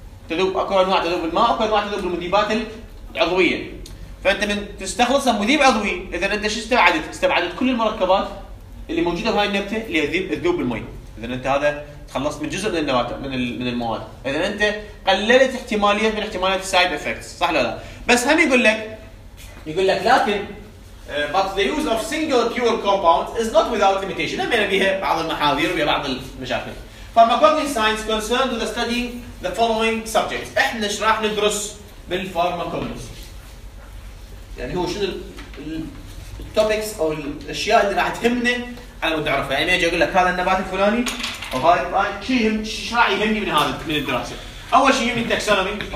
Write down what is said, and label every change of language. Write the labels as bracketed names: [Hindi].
[Arabic] تذوب اكو انواع تذوب الماء اكو انواع تذوب المذيبات العضويه، فانت من تستخلصها مذيب عضوي اذا انت شو استبعدت كل المركبات اللي موجوده بهاي النبته اللي تذوب الماء، اذا انت هذا تخلصت من جزء من النبات من المواد، اذا انت قللت احتماليه من احتماليه السايد افكتس، صح لا؟ بس هم يقول لك لكن [English] but the use of single pure compounds is not without limitation. [Arabic] لما نبيها بعض المحاذير ويا بعض المشاكل. [English] Pharmacological science concerned with studying the following subjects. [Arabic] إحنا إيش راح ندرس بالpharmacology؟ يعني هو شنو topics أو الأشياء اللي راح تهمني على مود أعرفها؟ يعني أجي أقول لك هذا النبات الفلاني أو هاي شيء يهم إيش راح يهمني من هذا من الدراسة؟ أول شيء يهمني تاكسونومي.